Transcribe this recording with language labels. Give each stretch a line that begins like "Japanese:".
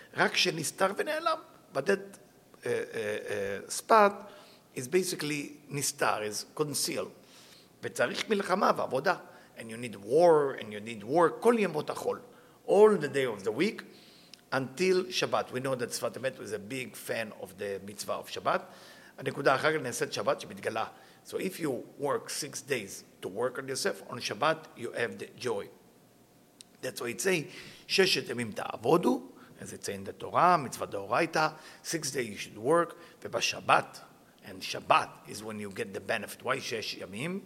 Hebrew: Rak shenistar v'ne'elam,
English: but that spot is basically nistar, is concealed.
Hebrew: וצריך מלחמה ועבודה.
English: And you need war, and you need work,
Hebrew: כל ימות החול.
English: All the day of the week, until Shabbat. We know that Sfat Emet was a big fan of the mitzvah of Shabbat.
Hebrew: הנקודה אחר כך נעשית שבת שמתגלה.
English: So if you work 6 days to work on yourself, on Shabbat you have the joy. That's why it's saying,
Hebrew: ששת ימים תעבודו,
English: as it's saying the Torah,
Hebrew: מצווה דאורייתא,
English: 6 days you should work,
Hebrew: ובשבת,
English: and Shabbat is when you get the benefit. Why
Hebrew: שש ימים?